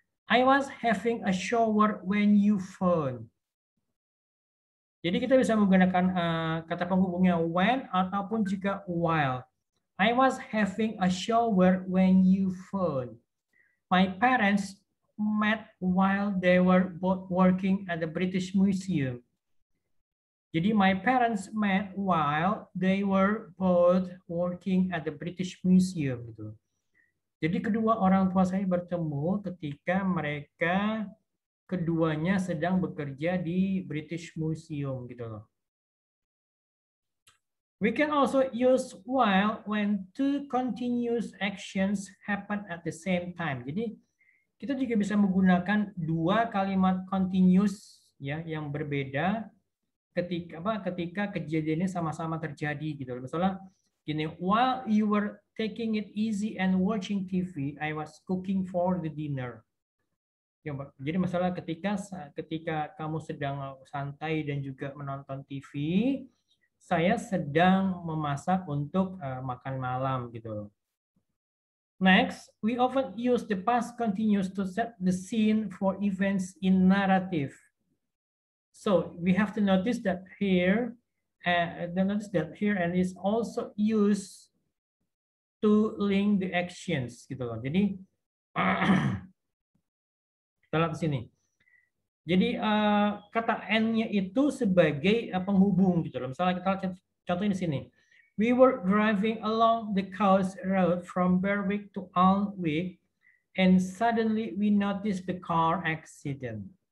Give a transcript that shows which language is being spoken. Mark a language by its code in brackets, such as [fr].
[en] I was having a shower when you phone. [id] Jadi kita bisa menggunakan kata penghubungnya when ataupun juga while. [en] I was having a shower when you phone. My parents met while they were both working at the British Museum. [id] Jadi [en] my parents met while they were both working at the British Museum [id] gitu. Jadi kedua orang tua saya bertemu ketika mereka keduanya sedang bekerja di British Museum gitu loh. [en] We can also use while when two continuous actions happen at the same time. [id] Jadi kita juga bisa menggunakan dua kalimat continuous ya yang berbeda ketika kejadiannya sama-sama terjadi gitu. Misalnya gini, [en] while you were taking it easy and watching TV, I was cooking for the dinner. [id] Jadi masalah ketika kamu sedang santai dan juga menonton TV, saya sedang memasak untuk makan malam gitu. [en] Next, we often use the past continuous to set the scene for events in narrative. So we have to notice that here, and is also used to link the actions [id] gitu loh. Jadi kita lihat sini. Jadi kata and-nya itu sebagai penghubung gitu loh. Misalnya kita lihat contoh di sini. [en] We were driving along the coast road from Berwick to Alnwick, and suddenly we noticed the car accident.